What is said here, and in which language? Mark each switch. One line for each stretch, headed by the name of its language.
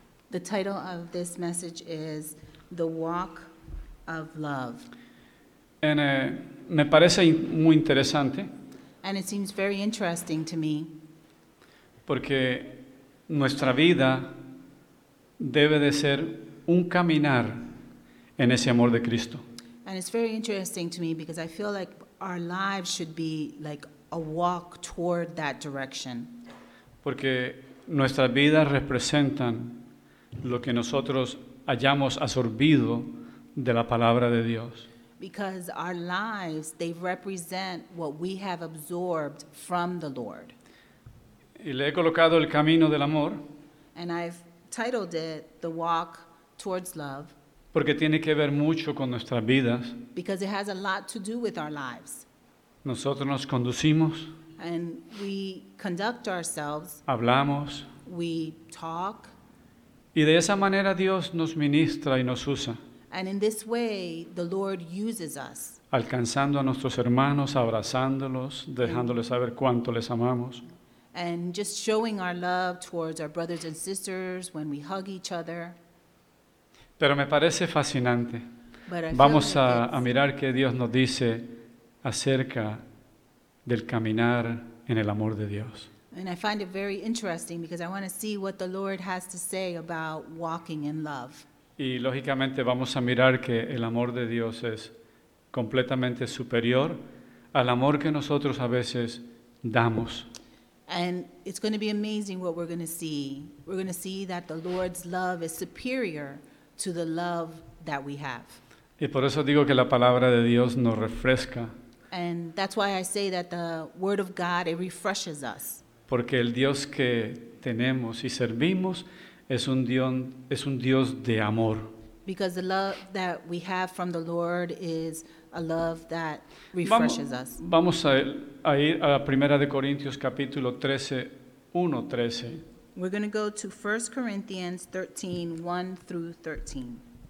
English: The title of this message is The Walk of Love.
Spanish: And me parece muy interesante.
English: And it seems very interesting to me.
Spanish: Porque nuestra vida debe de ser un caminar en ese amor de Cristo.
English: And it's very interesting to me because I feel like our lives should be like a walk toward that direction.
Spanish: Porque nuestras vidas representan lo que nosotros hayamos absorbido de la palabra de Dios.
English: Because our lives, they represent what we have absorbed from the Lord.
Spanish: Y le he colocado el camino del amor.
English: And I've titled it The Walk Towards Love.
Spanish: Porque tiene que ver mucho con nuestras vidas.
English: Because it has a lot to do with our lives.
Spanish: Nosotros nos conducimos.
English: And we conduct ourselves.
Spanish: Hablamos.
English: We talk.
Spanish: Y de esa manera Dios nos ministra y nos usa.
English: And in this way, the Lord uses us.
Spanish: Alcanzando a nuestros hermanos, abrazándolos, dejándoles saber cuánto les amamos.
English: And just showing our love towards our brothers and sisters when we hug each other.
Spanish: Pero me parece fascinante.
English: But
Spanish: vamos
English: like
Spanish: a mirar qué Dios nos dice acerca del caminar en el amor de Dios.
English: And I find it very interesting because I want to see what the Lord has to say about walking in love.
Spanish: Y lógicamente vamos a mirar que el amor de Dios es completamente superior al amor que nosotros a veces damos.
English: And it's going to be amazing what we're going to see. We're going to see that the Lord's love is superior to the love that we have.
Spanish: Y por eso digo que la palabra de Dios nos refresca.
English: And that's why I say that the word of God, it refreshes us.
Spanish: Porque el Dios que tenemos y servimos es un Dios de amor.
English: Because the love that we have from the Lord is a love that refreshes us.
Spanish: Vamos a ir a 1 Corintios capítulo 13, 1, 13.
English: We're going to go to 1 Corinthians 13, 1 through 13.